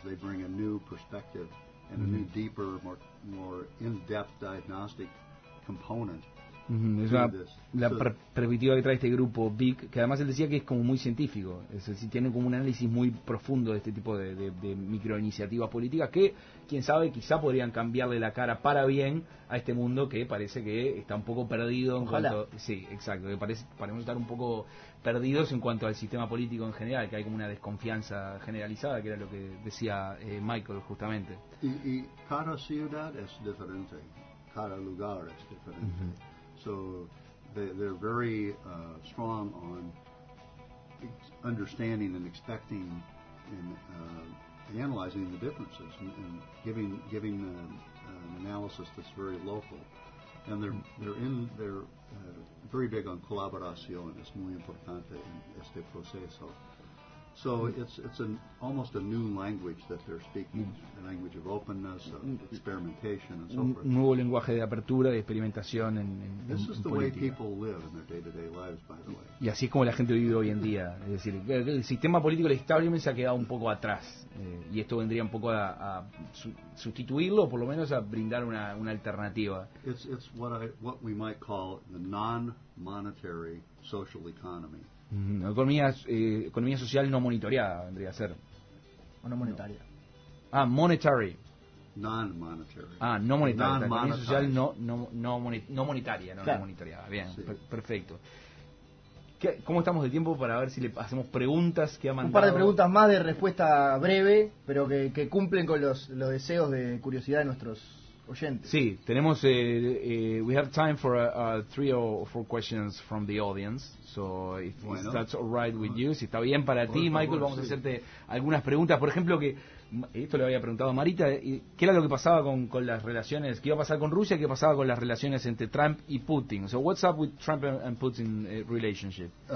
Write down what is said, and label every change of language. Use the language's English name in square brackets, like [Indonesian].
[English] They bring a new perspective and mm-hmm. a new deeper, more in-depth diagnostic component. Mm-hmm. [Spanish] Es una, la perspectiva que trae este grupo Vic, que además él decía que es como muy científico, es decir, tiene como un análisis muy profundo de este tipo de microiniciativas políticas que, quién sabe, quizá podrían cambiarle la cara para bien a este mundo que parece que está un poco perdido en Ojalá. Cuanto sí, exacto, que parece estar un poco perdidos en cuanto al sistema político en general, que hay como una desconfianza generalizada, que era lo que decía Michael justamente. Y cada ciudad es diferente, cada lugar es diferente. Mm-hmm. [English] So they're very strong on understanding and expecting and analyzing the differences and giving an analysis that's very local. And they're very big on colaboración. [Spanish] Es muy importante en este proceso. [English] So it's an almost a new language that they're speaking, a language of openness, of experimentation, and so forth. [Spanish] Un nuevo lenguaje de apertura, de experimentación en [English] This is [Spanish] en [English] the [Spanish] política. [English] Way people live in their day-to-day lives, by the way. [Spanish] Y así es como la gente vive hoy en día. Es decir, el sistema político, el establishment, se ha quedado un poco atrás. Y esto vendría un poco a sustituirlo, o por lo menos a brindar una alternativa. [English] It's what we might call the non-monetary social economy. [Spanish] Economía social no monitoreada vendría a ser. O no monetaria. [English] No. Ah, monetary. Non-monetary. [Spanish] Ah, no monetaria. Economía social no monitoreada. Bien, sí. Perfecto. ¿Cómo estamos de tiempo para ver si le hacemos preguntas que ha mandado? Un par de preguntas más de respuesta breve, pero que cumplen con los deseos de curiosidad de nuestros oyentes. Sí, tenemos. [English] We have time for three or four questions from the audience. So if that's all right with you, [Spanish] si está bien para ti, Michael, vamos a hacerte algunas preguntas. Por ejemplo, que esto le había preguntado a Marita, ¿qué era lo que pasaba con las relaciones? ¿Qué iba a pasar con Rusia? ¿Qué pasaba con las relaciones entre Trump y Putin? [English] So what's up with Trump and Putin relationship?